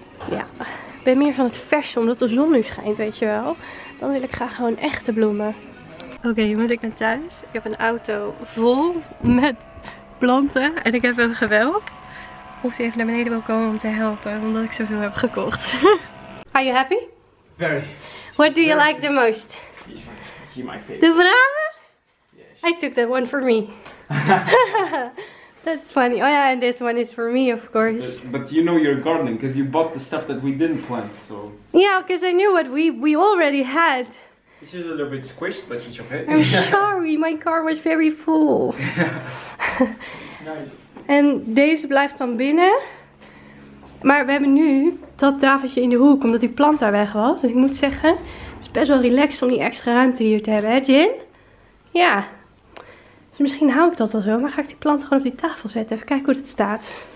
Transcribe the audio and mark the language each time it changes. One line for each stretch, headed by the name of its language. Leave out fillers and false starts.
Dutch: Ja, ik ben meer van het verse, omdat de zon nu schijnt, weet je wel. Dan wil ik graag gewoon echte bloemen. Oké, jongens, ik ben thuis. Ik heb een auto vol met planten. En ik heb hem geweld. Of hij even naar beneden wil komen om te helpen, omdat ik zoveel heb gekocht.
English: Are you happy? Very. What do you like the most? He's my favorite.
Dutch: De bramen?
English: Yes. I took that one for me. That's funny. Oh yeah, and this one is for me, of course. But you know you're gardening, because you bought the stuff that we didn't plant, so... Yeah, because I knew what we already had. This is a little bit squished, but it's okay. I'm sorry, my car was very full.
Dutch: En deze blijft dan binnen. Maar we hebben nu dat tafeltje in de hoek, omdat die plant daar weg was. Dus ik moet zeggen, het is best wel relaxed om die extra ruimte hier te hebben, hè, Jin? Ja. Dus misschien hou ik dat wel zo, maar ga ik die plant gewoon op die tafel zetten. Even kijken hoe het staat.